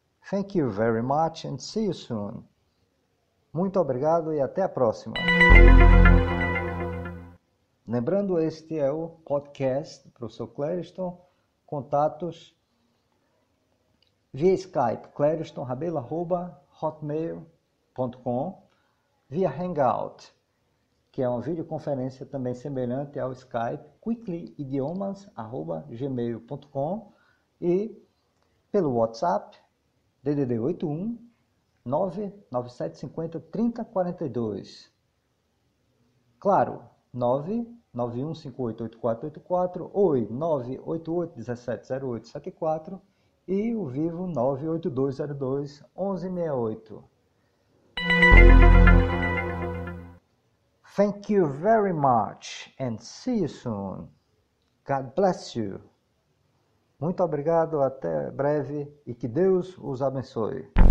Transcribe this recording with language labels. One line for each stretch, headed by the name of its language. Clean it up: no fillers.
English: Thank you very much and see you soon.
Portuguese: Muito obrigado e até a próxima. Lembrando, este é o podcast do professor Clariston. Contatos via Skype, claristonrabelo@hotmail.com, via Hangout, que é uma videoconferência também semelhante ao Skype, quicklyidiomas@gmail.com, e pelo WhatsApp, DDD 81 99750 3042. Claro, 991588484, oi, 988170874, e o vivo 98202 1168.
English: Thank you very much and see you soon. God bless you.
Portuguese: Muito obrigado, até breve e que Deus os abençoe.